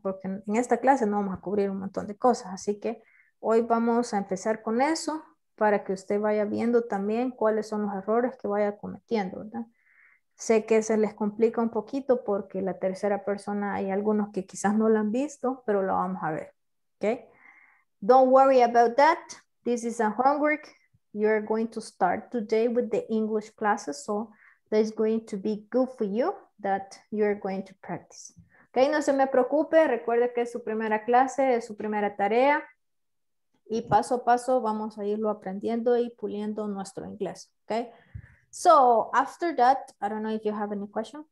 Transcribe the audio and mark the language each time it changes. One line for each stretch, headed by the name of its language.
Spanish: Porque en esta clase no vamos a cubrir un montón de cosas. Así que hoy vamos a empezar con eso para que usted vaya viendo también cuáles son los errores que vaya cometiendo, ¿verdad? Sé que se les complica un poquito porque la tercera persona, hay algunos que quizás no la han visto, pero lo vamos a ver.
English: Okay? Don't worry about that. This is a homework. You are going to start today with the English classes, so that's going to be good for you that you are going to practice.
Spanish: Okay, no se me preocupe, recuerde que es su primera clase, es su primera tarea, y paso a paso vamos a irlo aprendiendo y puliendo nuestro inglés.
English: Okay, so after that, I don't know if you have any question.